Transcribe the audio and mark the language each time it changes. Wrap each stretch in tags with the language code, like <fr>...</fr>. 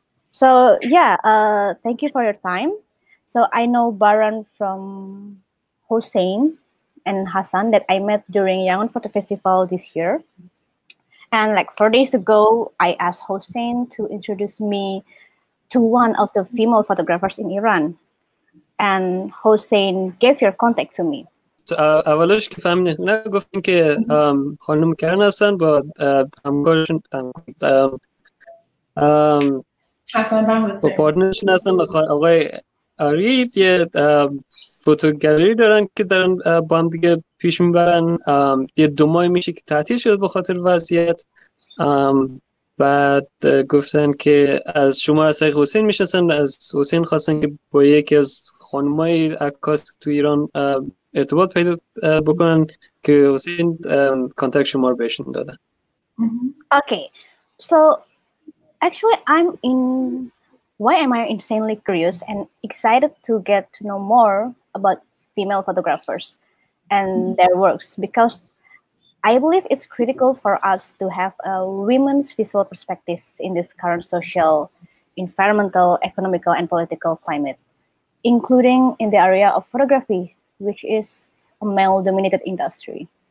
<en>So yeah, thank you for your time. So I know Baran from Hussein and Hassan that I met during Yangon Photo Festival this year. And like 4 days ago, I asked Hossein to introduce me to one of the female photographers in Iran. And Hossein gave your contact to me.</en> <fa>اولش که فهمیدم نه گفتین که خانم کرن هستن با همکارشون با پارتنرشون هستن آقای آرید یه فوتوگالری دارن که دارن با هم دیگه پیش میبرن یه 2 ماه میشه که تعطیل شد به خاطر وضعیت بعد گفتن که از شما از طریق حسین میشناسن از حسین خواستن که با یکی از خانمای عکاس تو ایران ارتباط پیدا بکنن که حسین کانتکت شما رو بهشون داده</fa> <en>Okay, so actually I'm in why am I insanely curious and excited to get to know more about female photographers and their works because I believe it's critical for us to have a women's visual perspective in this current social, environmental, economical, and political climate, including in the area of photography, which is a male-dominated industry.</en>